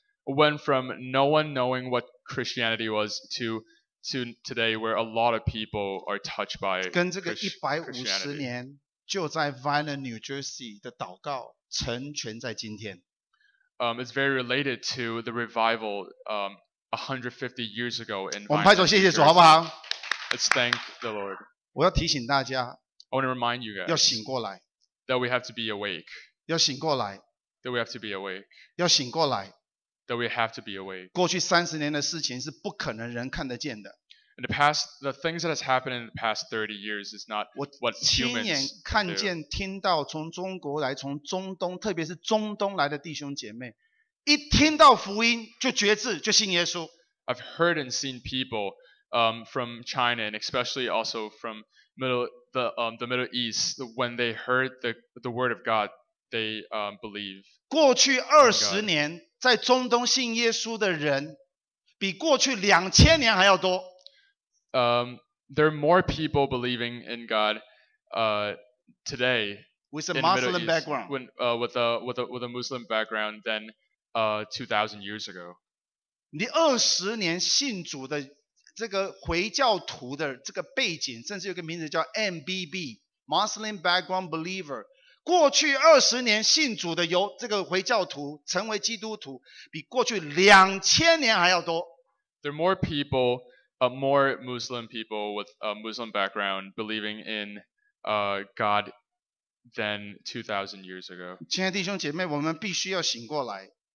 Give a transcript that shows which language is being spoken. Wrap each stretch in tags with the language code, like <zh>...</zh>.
<en>Went from no one knowing what Christianity was to today where a lot of people are touched by Christianity.</en> <zh>跟这个150年就在 Vineland, New Jersey 的祷告成全在今天。</zh> <en>It's very related to the revival 150 years ago in Vineland,</en> <zh>New Jersey. 我们拍手谢谢主好不好？</zh> <en>Let's thank the Lord.</en> <zh>我要提醒大家，</zh> <en>I want to remind you guys</en> <zh>要醒过来，</zh> <en>that we have to be awake.</en> <zh>要醒过来，</zh> <en>that we have to be awake.</en> <zh>要醒过来，</zh> <en>that we have to be awake.</en> <zh>过去三十年的事情是不可能人看得见的。</zh> <en>In the past, the things that has happened in the past 30 years is not what humans can do.</en> <zh>我亲眼看见、听到从中国来、从中东，特别是中东来的弟兄姐妹，一听到福音就决志，就信耶稣。</zh> <en>I've heard and seen people from China and especially also from the Middle East, when they heard the word of God, they believe.</en> <zh>过去二十年在中东信耶稣的人比过去两千年还要多。</zh> <en>There are more people believing in God today with a Muslim background with a Muslim background than 2000 years ago.</en> <zh>你二十年信主的这个回教徒的这个背景，甚至有个名字叫 MBB Muslim Background Believer。过去二十年信主的由这个回教徒成为基督徒，比过去两千年还要多。</zh> <en>There are more people, more Muslim people with a Muslim background believing in God than 2,000 years ago.</en> <zh>亲爱的弟兄姐妹，我们必须要醒过来。</zh>